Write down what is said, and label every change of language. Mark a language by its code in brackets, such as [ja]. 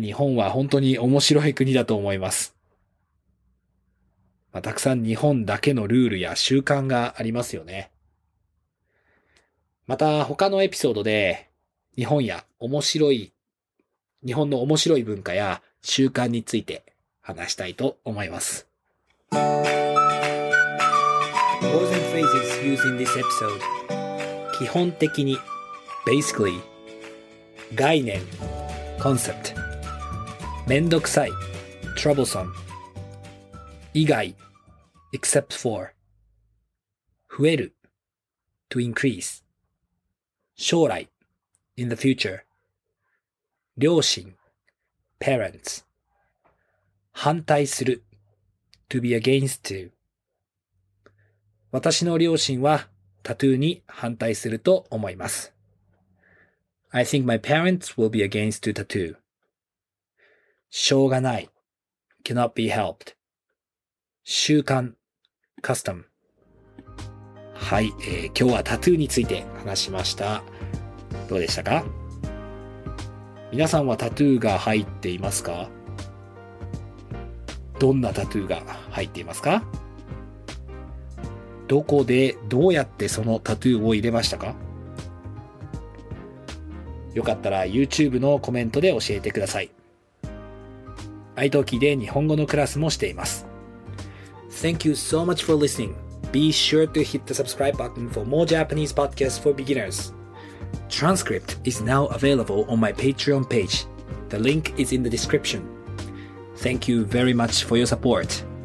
[ja] 日本は本当に面白い国だと思います。まあ、たくさん日本だけのルールや習慣がありますよね。また他のエピソードで日本や面白い日本の面白い文化や習慣について話したいと思います。 [en] Words and phrases used in this episode. 基本的に basically 概念 concept 面倒くさい troublesome 以外 except for 増える to increase 将来 in the future両親 parents 反対する to be against to [ja] 私の両親はタトゥーに反対すると思います。 [en] I think my parents will be against to tattoo. [ja] しょうがない [en] cannot be helped [ja] 習慣 custom。はい、今日はタトゥーについて話しました。どうでしたか？皆さんはタトゥーが入っていますか？どんなタトゥーが入っていますか？どこでどうやってそのタトゥーを入れましたか？よかったら YouTube のコメントで教えてください。iTalkiで日本語のクラスもしています。 [en] Thank you so much for listening. Be sure to hit the subscribe button for more Japanese podcasts for beginners. Transcript is now available on my Patreon page. The link is in the description. Thank you very much for your support.